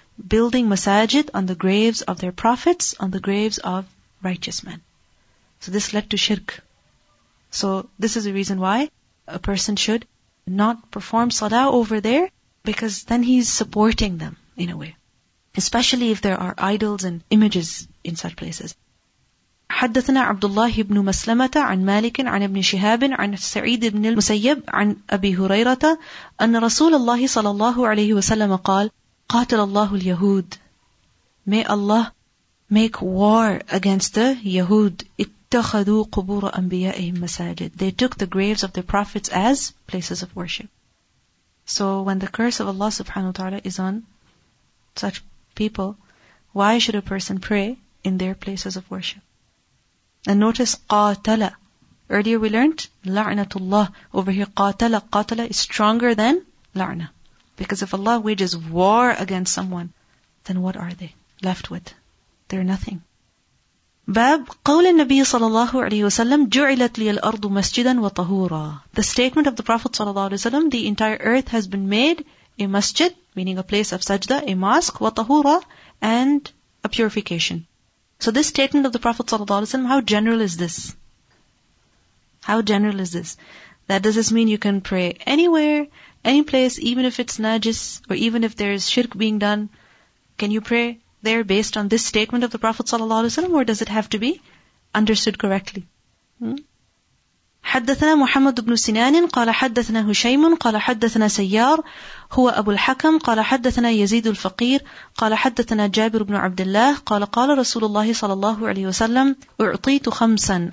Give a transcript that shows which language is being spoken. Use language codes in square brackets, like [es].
[en] Building masajid on the graves of their prophets, on the graves of righteous men. So this led to shirk. So this is the reason why a person should not perform salah over there, because then he's supporting them in a way. Especially if there are idols and images in such places. [ar] حدثنا عبد الله بن مسلمة عن مالك عن ابن شهاب عن سعيد بن المسيب عن أبي هريرة أن رسول الله صلى الله عليه وسلم قال قاتل الله اليهود. [en] May Allah make war against the Yahud. [ar] اتخذوا قبور أنبيائهم مساجد. [en] They took the graves of their prophets as places of worship. So when the curse of Allah subhanahu wa ta'ala is on such people, why should a person pray in their places of worship? And notice قاتل. Earlier we learned لعنة الله. Over here قاتل. قاتل is stronger than لعنة. Because if Allah wages war against someone, then what are they left with? They're nothing. [ar] باب قول النبي صلى الله عليه وسلم جعلت لي الأرض مسجدا وطهورا. [en] The statement of the Prophet صلى الله عليه وسلم, the entire earth has been made a masjid, meaning a place of sajda, a mosque, watahura, and a purification. So this statement of the Prophet ﷺ, how general is this? How general is this? That does this mean you can pray anywhere, any place, even if it's najis, or even if there is shirk being done, can you pray there based on this statement of the Prophet ﷺ, or does it have to be understood correctly? [ar] حدثنا محمد بن سنان قال حدثنا هشيم قال حدثنا سيار هو أبو الحكم قال حدثنا يزيد الفقير قال حدثنا جابر بن عبد الله قال قال رسول الله صلى الله عليه وسلم أعطيت خمسا